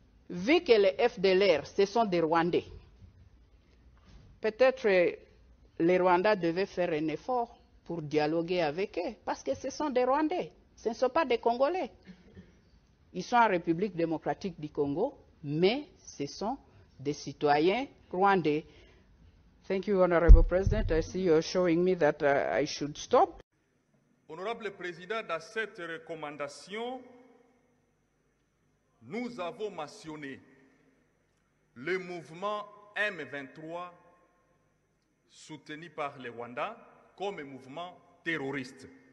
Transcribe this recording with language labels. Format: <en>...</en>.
<fr>Vu que les FDLR, ce sont des Rwandais, peut-être les Rwandais devaient faire un effort pour dialoguer avec eux, parce que ce sont des Rwandais, ce ne sont pas des Congolais. Ils sont en République démocratique du Congo, mais ce sont des citoyens rwandais.</fr> <en>Thank you, Honorable President. I see you're showing me that I should stop.</en> <fr>Honorable Président, dans cette recommandation, nous avons mentionné le mouvement M23 soutenu par le Rwanda comme un mouvement terroriste.</fr>